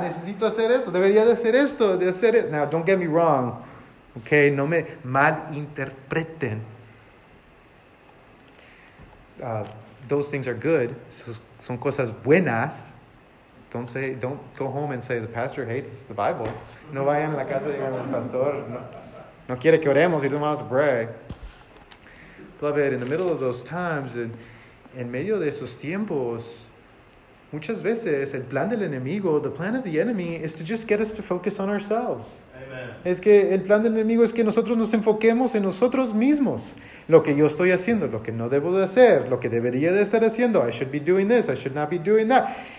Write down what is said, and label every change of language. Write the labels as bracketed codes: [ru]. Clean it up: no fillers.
[es] Necesito hacer esto. Debería de hacer esto. De hacer it. [en] Now, don't get me wrong. [es] Okay, no me malinterpreten. [en] Those things are good. [es] Son cosas buenas. [en] Don't say, don't go home and say the pastor hates the Bible. [es] No vayan a la casa y digan el pastor no quiere que oremos. [en] He doesn't want us to pray. Beloved, in the middle of those times, and [es] en medio de esos tiempos, muchas veces el plan del enemigo, [en] the plan of the enemy, is to just get us to focus on ourselves. Amen. [es] Es que el plan del enemigo es que nosotros nos enfoquemos en nosotros mismos. Lo que yo estoy haciendo, lo que no debo de hacer, lo que debería de estar haciendo. [en] I should be doing this, I should not be doing that.